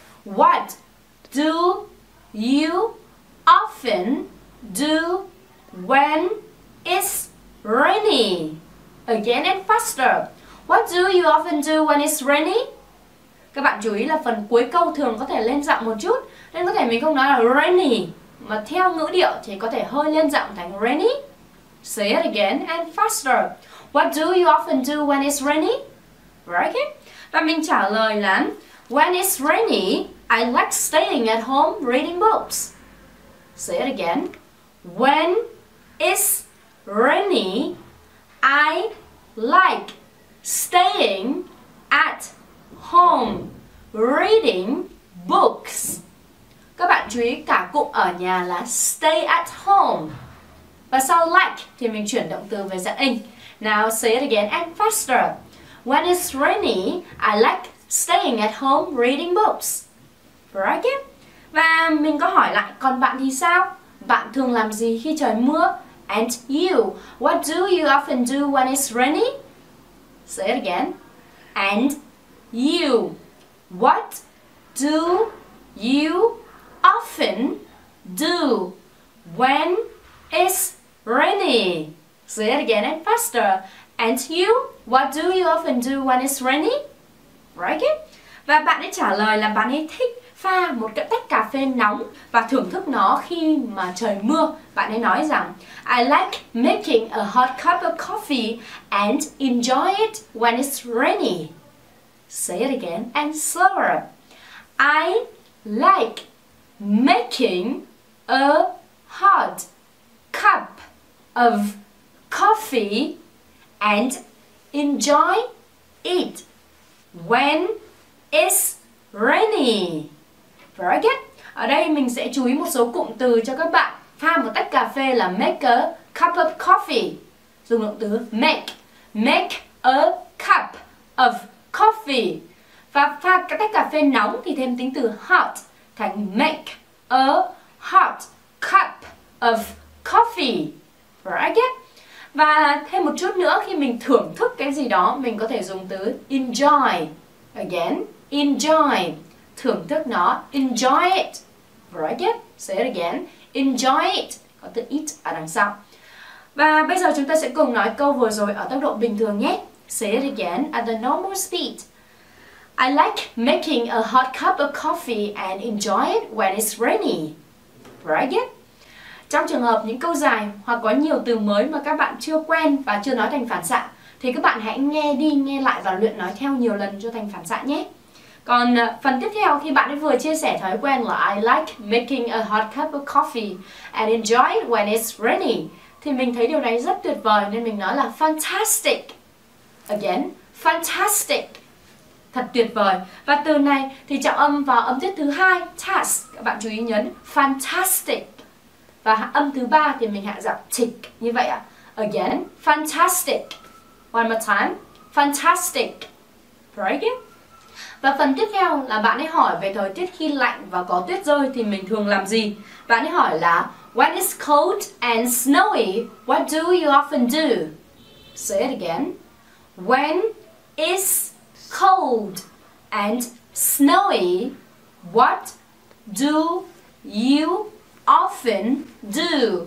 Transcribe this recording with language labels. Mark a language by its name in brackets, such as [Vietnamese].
[English] What do you often do when it's rainy? Again and faster. What do you often do when it's rainy? [Vietnamese] Các bạn chú ý là phần cuối câu thường có thể lên giọng một chút. Nên có thể mình không nói là rainy. Mà theo ngữ điệu thì có thể hơi lên giọng thành rainy. [English] Say it again and faster. What do you often do when it's rainy? Right? [Vietnamese] Và mình trả lời là [English] when it's rainy, I like staying at home reading books. Say it again. When it's rainy, I like staying at home reading books. [Vietnamese] Các bạn chú ý cả cụm ở nhà là [English] stay at home. [Vietnamese] Và sau like thì mình chuyển động từ về dạng ing. [English] Now say it again and faster. When it's rainy, I like staying at home reading books. Right? [Vietnamese] Và mình có hỏi lại còn bạn thì sao? Bạn thường làm gì khi trời mưa? [English] And you, what do you often do when it's rainy? Say it again. And you, what do you often do when it's Rainy. Say it again and faster. And you, what do you often do when it's rainy? Right? [Vietnamese] Và bạn ấy trả lời là bạn ấy thích pha một cái tách cà phê nóng và thưởng thức nó khi mà trời mưa. Bạn ấy nói rằng [English] I like making a hot cup of coffee and enjoy it when it's rainy. Say it again and slower. I like making a hot cup of coffee and enjoy it when it's rainy. Very good. [Vietnamese] Ở đây mình sẽ chú ý một số cụm từ cho các bạn. Pha một tách cà phê là [English] make a cup of coffee. [Vietnamese] Dùng động từ make. [English] Make a cup of coffee. [Vietnamese] Và pha cái tách cà phê nóng thì thêm tính từ hot thành [English] make a hot cup of coffee. Very good. [Vietnamese] Và thêm một chút nữa, khi mình thưởng thức cái gì đó, mình có thể dùng từ enjoy. [English] Again, enjoy. [Vietnamese] Thưởng thức nó, [English] enjoy it. Right? Say it again, enjoy it. [Vietnamese] Có từ it ở đằng sau. Và bây giờ chúng ta sẽ cùng nói câu vừa rồi ở tốc độ bình thường nhé. [English] Say it again at the normal speed. I like making a hot cup of coffee and enjoy it when it's rainy. Right? [Vietnamese] Trong trường hợp những câu dài hoặc có nhiều từ mới mà các bạn chưa quen và chưa nói thành phản xạ, thì các bạn hãy nghe đi nghe lại và luyện nói theo nhiều lần cho thành phản xạ nhé. Còn phần tiếp theo, khi bạn ấy vừa chia sẻ thói quen là [English] I like making a hot cup of coffee and enjoy it when it's rainy, [Vietnamese] thì mình thấy điều này rất tuyệt vời nên mình nói là fantastic. [English] Again, fantastic. [Vietnamese] Thật tuyệt vời. Và từ này thì trọng âm vào âm tiết thứ hai, task. Các bạn chú ý nhấn fantastic. Và âm thứ ba thì mình hạ giọng tick. Như vậy ạ. [English] Again, fantastic. One more time. Fantastic. Break it. [Vietnamese] Và phần tiếp theo là bạn ấy hỏi về thời tiết khi lạnh và có tuyết rơi thì mình thường làm gì? Bạn ấy hỏi là [English] when it's cold and snowy, what do you often do? Say it again. When it's cold and snowy, what do you often do?